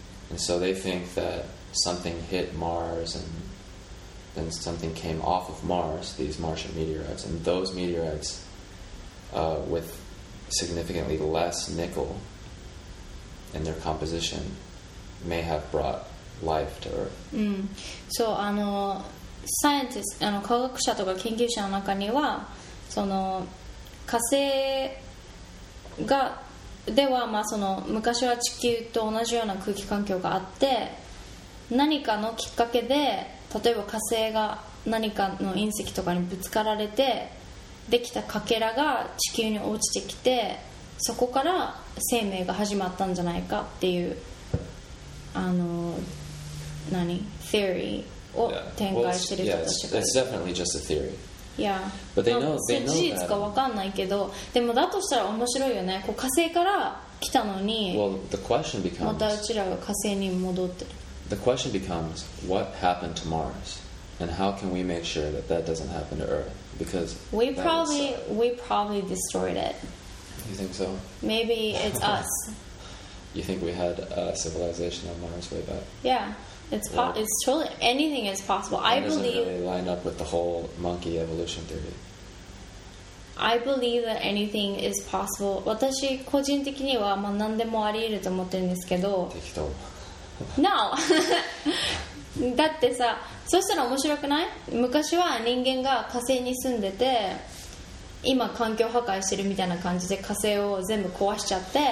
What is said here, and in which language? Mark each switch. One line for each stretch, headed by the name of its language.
English: And so they think that something hit Mars and then something came off of Mars, these Martian meteorites, and those meteorites with significantly less nickel in their composition may have brought life to Earth. Mm. So, scientists,
Japanese: 科学者とか研究者の中にはその火星がでは、まあ、その昔は地球と同じような空気環境があって何かのきっかけで例えば火星が何かの隕石とかにぶつかられてできたかけらが地球に落ちてきてそこから生命が始まったんじゃないかっていうあの何 theory を展開してる人たち
English: が。 It's definitely just a theory Yeah. But they know, they know that.
Japanese: 事実か分かんないけど、でもだとしたら面白いよね。こう火星から来たのに、
English: well, the question becomes,
Japanese: またうちらが火星に戻ってる。
English: The question becomes, what happened to Mars? And how can we make sure that that doesn't happen to Earth? Because we probably destroyed it. You think so? Maybe it's us. You think we had a civilization on Mars way back? Yeah. It's totally anything is possible. That I believe doesn't really line up with the whole monkey evolution theory. I believe that anything is possible.
Japanese: 私個人的にはまあ何でもあり得ると思ってるんですけど。適当。
English: No.
Japanese: だってさ、そうしたら面白くない？昔は人間が火星に住んでて、今環境破壊してるみたいな感じで火星を全部壊しちゃって。